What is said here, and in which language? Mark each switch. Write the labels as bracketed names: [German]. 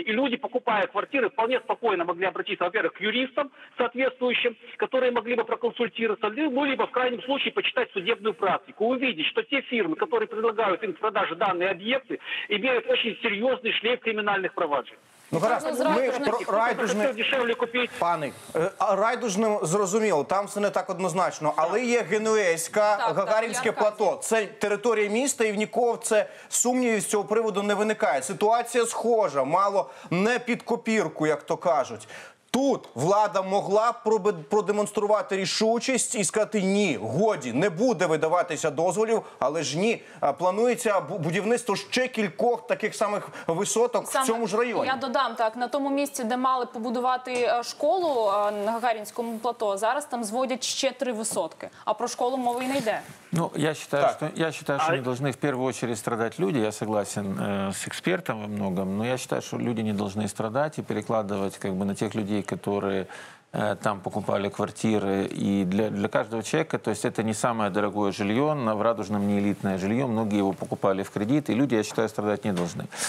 [Russian] И люди, покупая квартиры, вполне спокойно могли обратиться, во-первых, к юристам соответствующим, которые могли бы проконсультироваться, либо в крайнем случае почитать судебную практику, увидеть, что те фирмы, которые предлагают им в продаже данные объекты, имеют очень серьезный шлейф криминальных проваджений. [Ukrainian] Ну, гаразд, ми Райдужне дешевле купити. Пани, Райдужне зрозуміло, там все не так однозначно, але є Генуєзька, Гагарінське плато. Це територія міста, і в нікого це сумнівів з цього приводу не виникає. Ситуація схожа, мало не під копірку, як то кажуть. Тут влада могла продемонструвати рішучість і сказати ні, годі, не буде видаватися дозволів, але ж ні. Планується будівництво ще кількох таких самих висоток в цьому ж районі. Я додам, так, на тому місці, де мали побудувати школу на Гагарінському плато, зараз там зводять ще 3 висотки, а про школу мови й не йде. [Russian] Ну, я считаю, что не должны в первую очередь страдать люди. Я согласен с экспертом во многом, но я считаю, что люди не должны страдать и перекладывать как бы на тех людей, которые там покупали квартиры. И для каждого человека, то есть это не самое дорогое жилье, но в Радужном не элитное жилье, многие его покупали в кредит, и люди, я считаю, страдать не должны.